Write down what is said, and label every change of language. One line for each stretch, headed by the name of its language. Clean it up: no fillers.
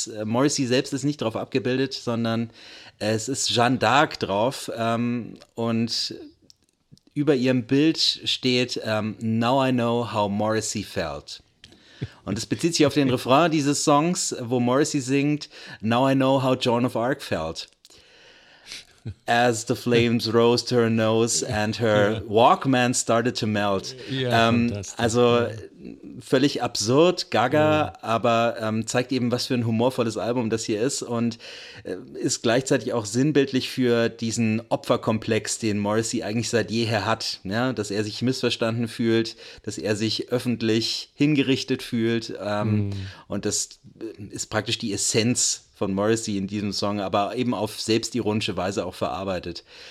German: Morrissey selbst ist nicht drauf abgebildet, sondern es ist Jeanne d'Arc drauf. Und über ihrem Bild steht,
English: Now I know how Morrissey felt.
German: Und es bezieht sich auf den Refrain dieses Songs, wo Morrissey singt,
English: Now I know how Joan of Arc felt. as the flames rose to her nose and her Walkman started to melt.
German: Ja, also völlig absurd, Gaga, aber zeigt eben, was für ein humorvolles Album das hier ist und ist gleichzeitig auch sinnbildlich für diesen Opferkomplex, den Morrissey eigentlich seit jeher hat. Ja, dass er sich missverstanden fühlt, dass er sich öffentlich hingerichtet fühlt und das ist praktisch die Essenz von Morrissey in diesem Song, aber eben auf selbstironische Weise auch verarbeitet.